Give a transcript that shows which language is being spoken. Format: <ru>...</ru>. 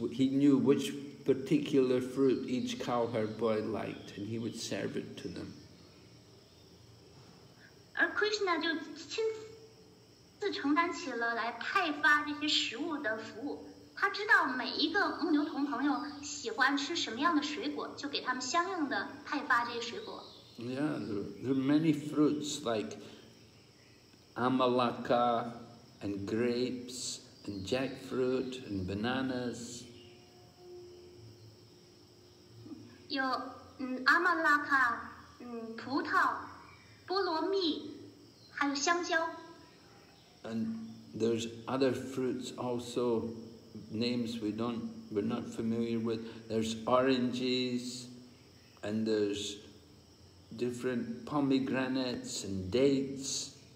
<en>He knew which particular fruit each cowherd boy liked, and he would serve it to them.</en> <zh>而 Krishna 就亲自承担起了来派发这些食物的服务。他知道每一个牧牛童朋友喜欢吃什么样的水果，就给他们相应的派发这些水果。</zh> <en>Yeah, there are many fruits like amalaka and grapes and jackfruit and bananas.</en> <zh>有阿玛拉卡，葡萄，菠萝蜜，还有香蕉。</zh> <en>And there's other fruits also, names we're not familiar with. There's oranges, and there's different pomegranates and dates.</en>